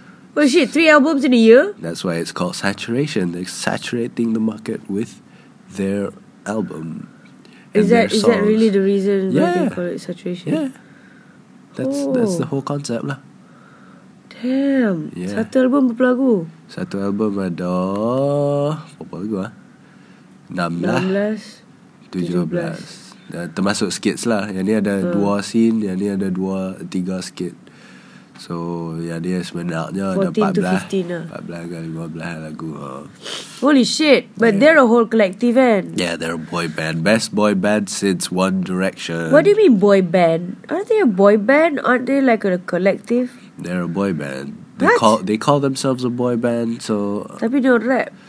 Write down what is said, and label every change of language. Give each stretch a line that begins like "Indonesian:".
English: Well, shit, three albums in a year? That's why it's called saturation. They're saturating the market with their album. Is that really the reason why they call it saturation? Yeah. That's the whole concept lah.
Malay: Damn. Yeah. Satu album berapa lagu? Satu album ada berapa lagu ah? 16. 17. Termasuk skits lah. Yang ni ada dua scene. Yang ni ada dua, tiga skit. So yang ni sebenarnya ada 14 to 15 lah. 14 ke 15 lagu.
English: Holy shit. But they're a whole collective kan? Yeah, they're a boy band. Best boy band since One Direction. What do you mean boy band? Aren't they a boy band? Aren't they like a collective? They're a boy band. They call themselves a boy band. So
Malay: tapi dia rap.